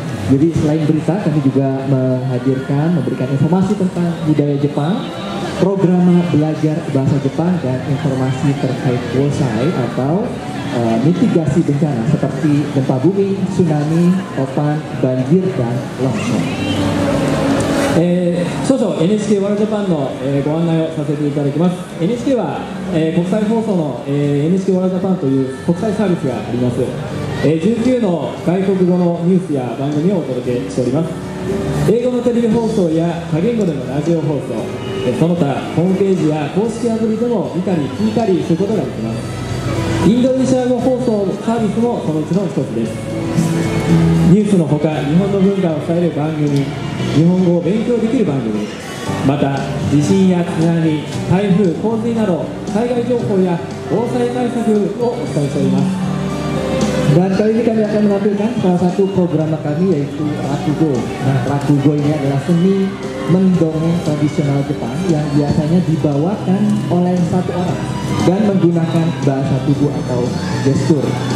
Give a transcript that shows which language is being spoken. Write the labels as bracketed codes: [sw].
[id] Jadi selain berita, kami juga memberikan informasi tentang budaya Jepang, program belajar bahasa Jepang, dan informasi terkait wosai atau mitigasi bencana seperti gempa bumi, tsunami, topan, banjir, dan longsor. [ja] 少々 NHK ワールドジャパンの、ご案内をさせていただきます。 NHK は、国際放送の、NHK ワールドジャパンという国際サービスがあります。 19の外国語のニュースや番組をお届けしております。英語のテレビ放送や多言語でのラジオ放送、その他ホームページや公式アプリでも見たり聞いたりすることができます。インドネシア語放送サービスもそのうちの一つです。ニュースのほか日本の文化を伝える番組、日本語を勉強できる番組、また地震や津波、台風、洪水など災害情報や防災対策をお伝えしております。 [id] Dan kali ini kami akan menampilkan salah satu program kami, yaitu Rakugo. Nah, Rakugo ini adalah seni mendongeng tradisional Jepang yang biasanya dibawakan oleh satu orang dan menggunakan bahasa tubuh atau gestur.